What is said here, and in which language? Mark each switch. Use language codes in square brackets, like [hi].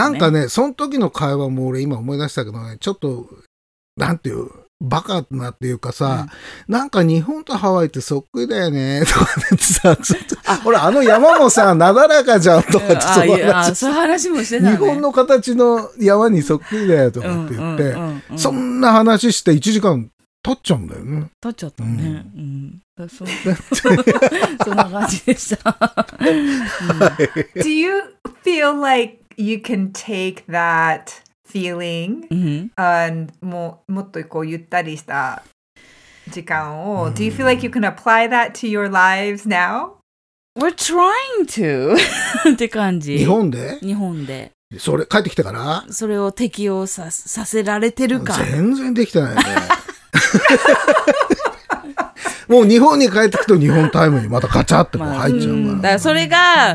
[ja] なんかね、その時の会話も俺今思い出したけどね、ちょっとなんていうバカなっていうかさ、うん、なんか日本とハワイってそっくりだよねとかねってさ、ちょっと俺あの山もさなだらかじゃんとかって、そういう話もしてたね。日本の形の山にそっくりだよとかって言って、うんうんうんうん、そんな話して1時間経っちゃうんだよね。経っちゃったね、うんうん、そんな感じでした。、うん、 [en] Do you feel like you can take thatfeeling、mm-hmm. and [ja] もっとこうゆったりした時間を、mm-hmm. [en] Do you feel like you can apply that to your lives now? We're trying to [ja] って感じ。日本でそれ帰ってきてからそれを適用させられてるか。全然できてないね。もう日本に帰ってくと日本タイムにまたカチャってこう入っちゃうから、まあ、うん、だからそれが、